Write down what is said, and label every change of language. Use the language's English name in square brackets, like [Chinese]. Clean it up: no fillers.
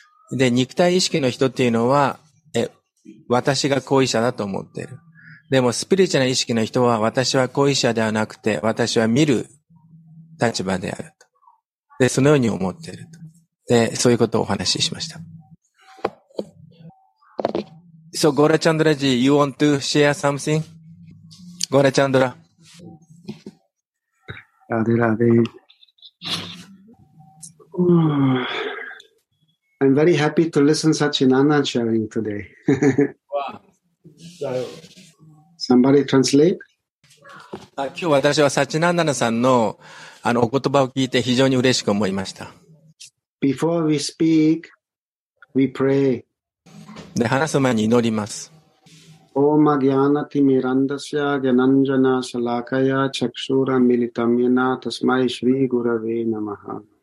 [Japanese] で、肉体意識の人っていうのは、私が行為者だと思ってる。でも、スピリチュアル意識の人は、私は行為者ではなくて、私は見る立場であると。で、そのように思ってると。で、そういうことをお話ししました。 [English] So, Gora Chandra Ji, you want to share something? Gora Chandra. Radhe Radhe. I'm very happy to listen to Sachinanda sharing today. Somebody translate? [Japanese] 今日私はサチナンダナさんの、お言葉を聞いて非常に嬉しく思いました。 [English] Before we speak, we pray. [Japanese] で、話す前に祈ります。 [Sanskrit] オーマギアナティミランダシア、ギャナンジャナ、シャラカヤ、チャクシュラ、ミリタミナ、タスマイ、シュリー、グラヴィ、ナマハ。